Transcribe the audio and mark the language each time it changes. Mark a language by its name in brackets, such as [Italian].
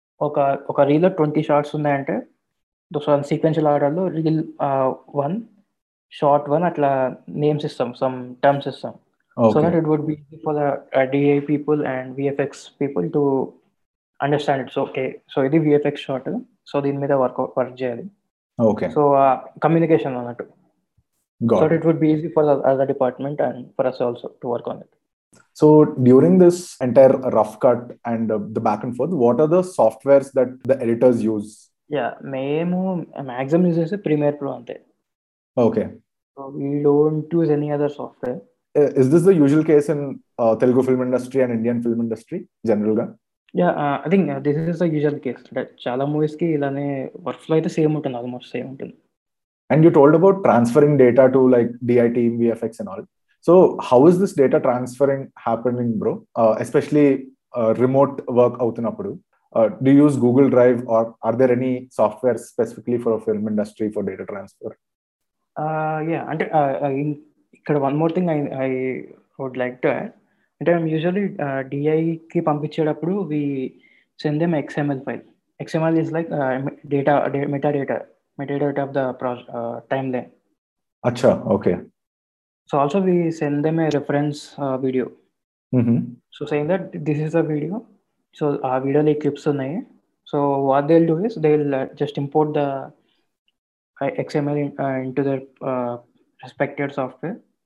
[Telugu] oka reel lo 20 shots unnai ante sequential ఆర్డర్లో reel one short one అట్లా names ఇస్తాం some terms ఇస్తాం [English] so that it would be for DI people and VFX people to understand it's okay [Telugu] so ఇది VFX short so దీని మీద work చేయాలి [English] Okay so communication అన్నట్టు so it would be easy for other department and for us also to work on it So during this entire rough cut and the back and forth, what are the softwares that the editors use? [Telugu] Yeah మేము maximum use చేసే Premiere Pro అంతే [English] okay so we don't use any other software is this the usual case in Telugu film industry and Indian film industry general గా yeah I think this is the usual case [Telugu] అంటే చాలా movies కి ఇలానే work flow అయితే same ఉంటుంది almost same ఉంటుంది [English] and you told about transferring data to like DIT VFX and all so how is this data transferring happening bro especially remote work అవుతున్నప్పుడు do you use Google Drive or are there any software specifically for a film industry for data transfer ikkada one more thing I would like to add and I'm usually [Telugu] DI ki pampichedappudu [English] we send them XML file XML is like metadata of the timeline acha okay so also we send them a reference video so saying that this is a video [Telugu] so ఆ వీడియోలో clips ఉన్నాయి [English] so what they will do is they will just import the XML into their respected software